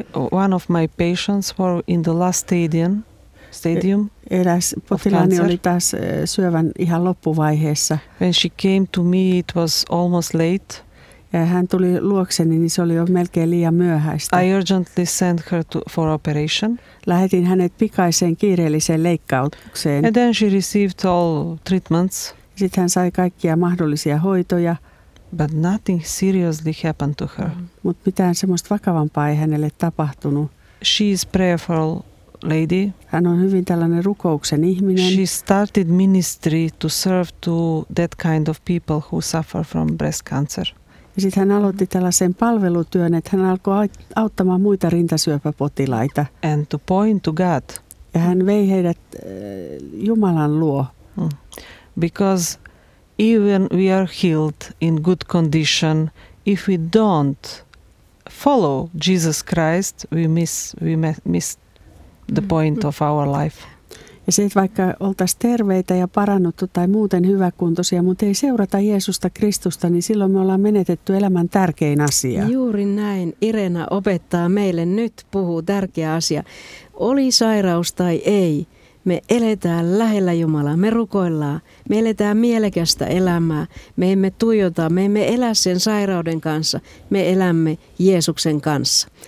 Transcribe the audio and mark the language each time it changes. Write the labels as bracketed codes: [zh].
[en] One of my patients were in the last stadium. [fi] Eräs potilaani oli taas syövän ihan loppuvaiheessa. [en] When she came to me, it was almost late. [fi] Ja hän tuli luokseni, niin se oli jo melkein liian myöhäistä. [en] I urgently sent her for operation. [fi] Lähetin hänet pikaiseen kiireelliseen leikkaukseen. [en] And then she received all treatments. [fi] Sitten hän sai kaikkia mahdollisia hoitoja. [en] But nothing seriously happened to her. [fi] Mut mitään semmoista vakavampaa ei hänelle tapahtunut. [en] She is prayerful lady. [fi] Hän on hyvin tällainen rukouksen ihminen. [en] She started ministry to serve to that kind of people who suffer from breast cancer. [fi] Ja sitten hän aloitti tällaisen palvelutyön, että hän alkoi auttamaan muita rintasyöpäpotilaita. [en] And to point to God. [fi] Ja hän vei heidät Jumalan luo. [en] Because even we are healed in good condition, if we don't follow Jesus Christ, we miss the point of our life. [fi] Ja se, että vaikka oltaisiin terveitä ja parannuttu tai muuten hyväkuntoisia, mutta ei seurata Jeesusta Kristusta, niin silloin me ollaan menetetty elämän tärkein asia. Juuri näin. Irena opettaa meille nyt, puhuu tärkeä asia. Oli sairaus tai ei, me eletään lähellä Jumalaa, me rukoillaan, me eletään mielekästä elämää, me emme tuijota, me emme elä sen sairauden kanssa, me elämme Jeesuksen kanssa.